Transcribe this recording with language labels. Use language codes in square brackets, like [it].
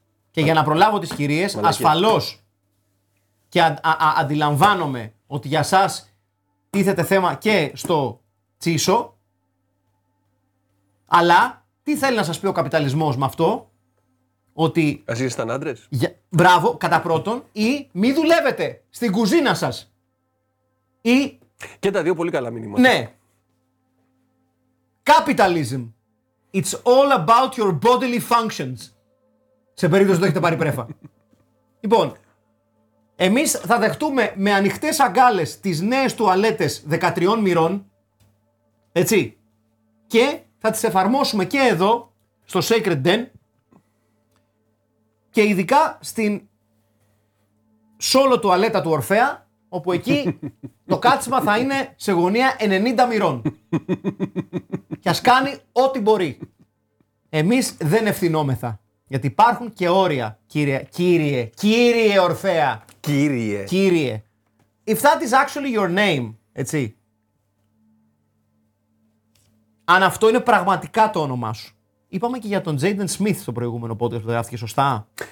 [el] Και για να προλάβω τις κυρίες, ασφαλώς και αντιλαμβάνομαι ότι για σας τίθεται θέμα και στο τσίσο, αλλά τι θέλει να σας πει ο καπιταλισμός με αυτό, ότι... Ας ήσασταν άντρες. Για... Μπράβο, κατά πρώτον, ή μη δουλεύετε στην κουζίνα σας. Ή... Και τα δύο πολύ καλά μηνύματα. Ναι. [en] Capitalism. It's all about your bodily functions. [el] Σε περίπτωση το έχετε πάρει πρέφα. Λοιπόν, εμείς θα δεχτούμε με ανοιχτές αγκάλες τις νέες τουαλέτες 13 μοιρών, έτσι, και θα τις εφαρμόσουμε και εδώ, στο Sacred Den, και ειδικά στην solo τουαλέτα του Ορφέα, όπου εκεί το κάτσιμα θα είναι σε γωνία 90 μοιρών. Και ας κάνει ό,τι μπορεί. Εμείς δεν ευθυνόμεθα. Γιατί υπάρχουν και όρια, κύριε Ορφέα. Κύριε. [en] If that is actually your name, [el] έτσι. Αν αυτό είναι πραγματικά το όνομά σου. Είπαμε και για τον Jaden Smith στο προηγούμενο podcast που γράφτηκε, σωστά?